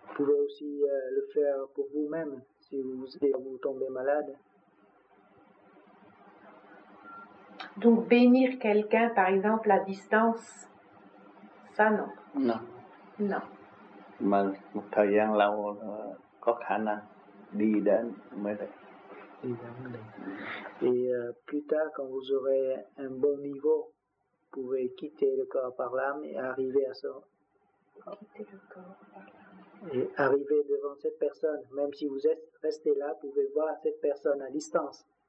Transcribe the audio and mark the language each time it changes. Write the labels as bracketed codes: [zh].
[fr] Vous pouvez aussi le faire pour vous-même si vous tombez malade. Donc bénir quelqu'un par exemple à distance, ça non. Non. Non. [vi] Mà một thời gian lâu có khả năng đi đến mới được. [fr] Et plus tard, quand vous aurez un bon niveau, vous pouvez quitter le corps par l'âme et arriver à ça. Quitter le corps. Et arriver devant cette personne, même si vous êtes resté là, vous pouvez voir cette personne à distance.